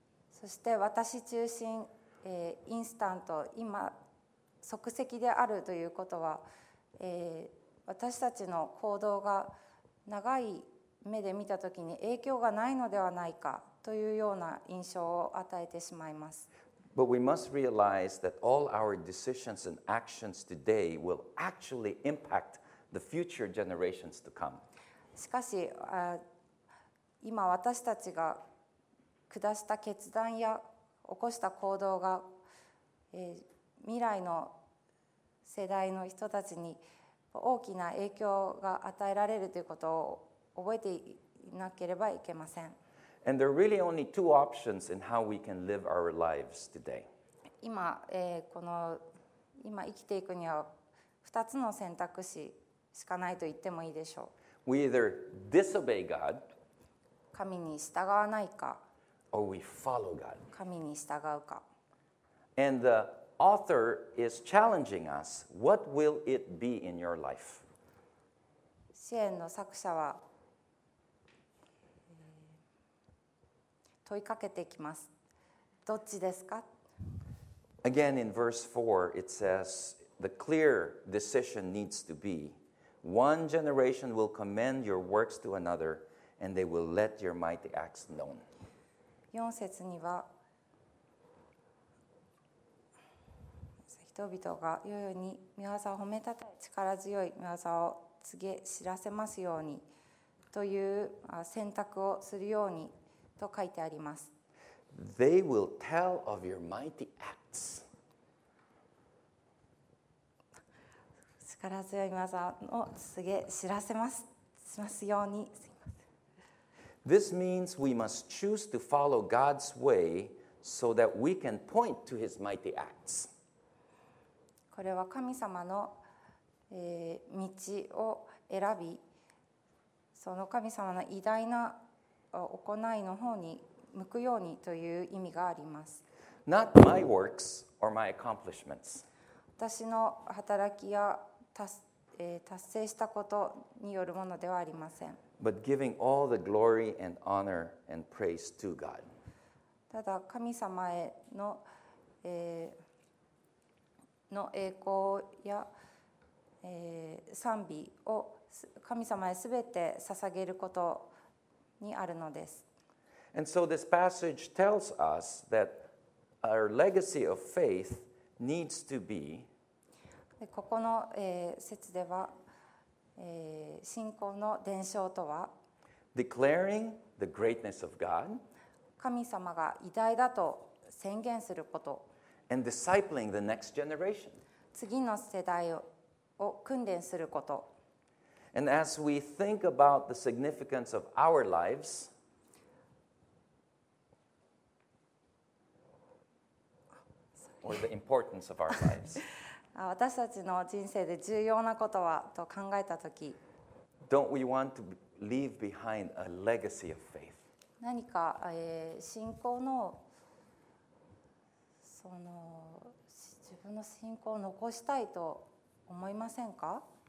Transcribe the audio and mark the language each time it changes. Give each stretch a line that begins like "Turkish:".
Japanese: そして私中心、インスタント、今即席であるということは、私たちの行動が長い目で見たときに影響がないのではないかというような印象を与えてしまいます。
English: But we must realize that all our decisions and actions today will actually impact the future generations to come.
Japanese: しかし、今私たちが下した決断や起こした行動が、未来の世代の人たちに大きな影響が与えられるということを覚えていなければいけません。
English: And there are really only two options in how we can live our lives today.
Japanese: 今、この今生きていくには2つの選択肢しかないと言ってもいいでしょう。
English: We either disobey God.
Japanese: 神に従わないか。
English: Or we follow God.
Japanese: 神に従うか。
English: And the author is challenging us. What will it be in your life?
Japanese: 詩篇の作者は問いかけてきます。どっちですか?
English: Again, in verse 4, it says the clear decision needs to be: one generation will commend your works to another, and they will let your mighty acts known.
Japanese: 4節には人々が世々に御業を褒めたたえ力強い御業を告げ知らせますようにという選択をするようにと書いてあります。
English: They will tell of your mighty acts.
Japanese: 力強い御業を告げ知らせますしますように。
English: This means we must choose to follow God's way so that we can point to his mighty acts.
Japanese: これは神様の、道を選び、その神様の偉大な行いの方に向くようにという意味があります。
English: Not my works or my accomplishments.
Japanese: 私の働きや達成したことによるものではありません。
English: But giving all the glory and honor and praise to God.
Japanese: ただ神様への、の栄光や、賛美を神様へすべて捧げることにあるのです。
English: And so this passage tells us that our legacy of faith needs to be
Japanese: ここの、説では、信仰の伝承とは
English: Declaring the greatness of God
Japanese: 神様が偉大だと宣言すること
English: And discipling the next generation
Japanese: 次の世代を訓練すること
English: And as we think about the significance of our lives or the importance of our lives
Japanese: 私たちの人生で重要なことはと考えたとき
English: Don't we want to leave behind a legacy of faith?
Japanese: 何か、信仰のその自分の信仰を残したいと思いませんか?